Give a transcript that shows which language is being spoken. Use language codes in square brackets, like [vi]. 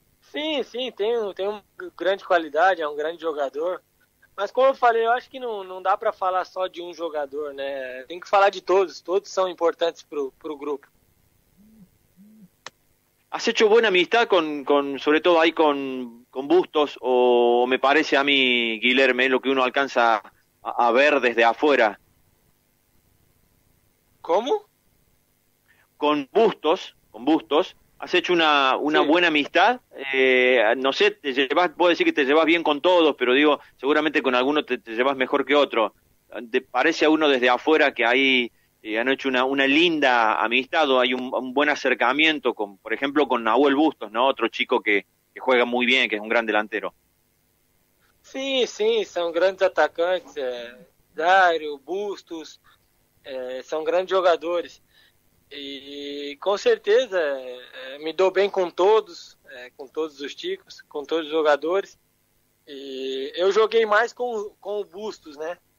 [pt] Sim, tem uma grande qualidade, é um grande jogador. Mas como eu falei, eu acho que não dá para falar só de um jogador, né? Tem que falar de todos, todos são importantes pro grupo. [es] ¿Has hecho buena amistad sobre todo ahí con Bustos, o me parece a mí, Guilherme, lo que uno alcanza a ver desde afuera? [pt] Como? [es] Con Bustos, ¿has hecho una Sí. buena amistad? No sé, puedo decir que te llevas bien con todos, pero digo, seguramente con alguno te llevas mejor que otro. ¿Te parece a uno desde afuera que ahí han hecho una linda amistad, o hay un buen acercamiento por ejemplo, con Nahuel Bustos, ¿no? Otro chico que juega muy bien, que es un gran delantero. [pt] Sim, são grandes atacantes, Dário, Bustos, são grandes jogadores. E com certeza, me dou bem com todos, com todos os ticos, com todos os jogadores. E eu joguei mais com o Bustos, né?